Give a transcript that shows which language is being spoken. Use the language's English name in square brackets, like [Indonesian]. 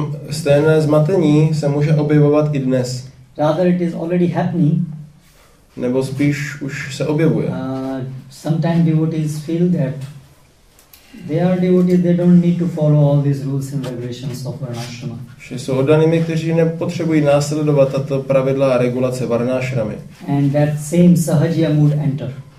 [Czech] Stejné zmatení se může objevovat i dnes. [English] Rather it is already happening. [Czech] Nebo spíš už se objevuje. [English] Sometimes devotees feel that they are devotees, they don't need to follow all these rules and regulations of varnashrama. [Czech] Že jsou oddanými, kteří nepotřebují následovat tato pravidla a regulace varnashramy. [English] And that same sahajiya mood enter.